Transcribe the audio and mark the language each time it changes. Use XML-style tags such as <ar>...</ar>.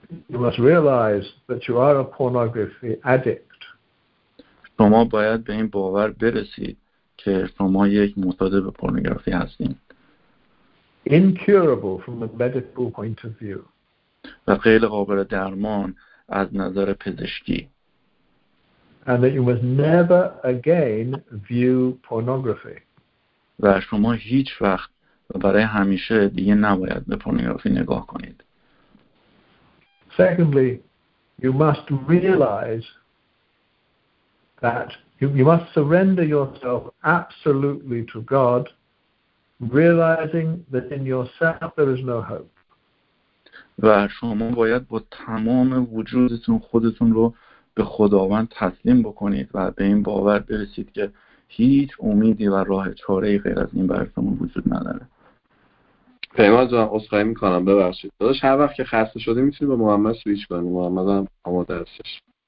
<en>You must realize that you are a pornography addict.</en> <fa>شما باید به این باور برسید که شما یک معتاد به پورنوگرافی هستید.</fa> <en>Incurable from a medical point of view.</en> <fa>و غیر قابل درمان از نظر پزشکی.</fa> <en>And that you must never again view pornography.</en> <fa>و شما هیچ وقت و برای همیشه دیگه نباید به پورنوگرافی نگاه کنید.</fa> <en>Secondly, you must realize that you must surrender yourself absolutely to God, realizing that in yourself there is no hope.</en> <fa>و شما باید با تمام وجودتون خودتون رو به خداوند تسلیم بکنید و به این باور برسید که هیچ امیدی و راه چاره ای غیر از این برای شما وجود نداره. پیمان جان عذرخواهی میکنم، ببخشید داداش، هر وقت که خسته شدی میتونی با محمد سویچ کنی، محمد هم آماده هستش.</fa>